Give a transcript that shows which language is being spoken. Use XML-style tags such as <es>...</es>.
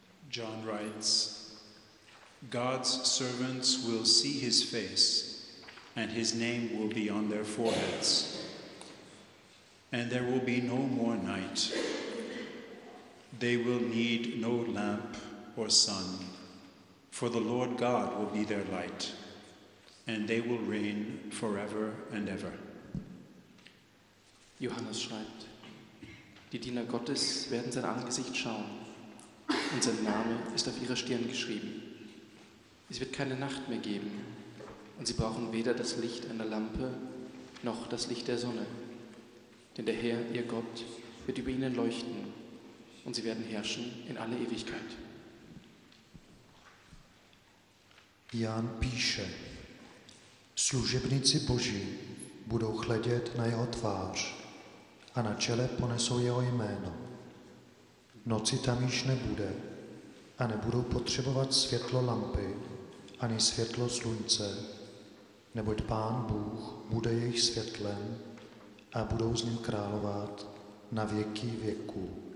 <en>John writes, God's servants will see his face, and his name will be on their foreheads. And there will be no more night. They will need no lamp or sun, for the Lord God will be their light, and they will reign forever and ever.</en> <de>Johannes schreibt, die Diener Gottes werden sein Angesicht schauen. Und sein Name ist auf ihrer Stirn geschrieben. Es wird keine Nacht mehr geben, und sie brauchen weder das Licht einer Lampe noch das Licht der Sonne. Denn der Herr, ihr Gott, wird über ihnen leuchten, und sie werden herrschen in alle Ewigkeit.</de> <cs>Jan píše, služebníci Boží budou chledět na jeho tvář a na čele ponesou jeho jméno. Noci tam již nebude a nebudou potřebovat světlo lampy ani světlo slunce, neboť Pán Bůh bude jejich světlem a budou s ním královat na věky věku.</cs>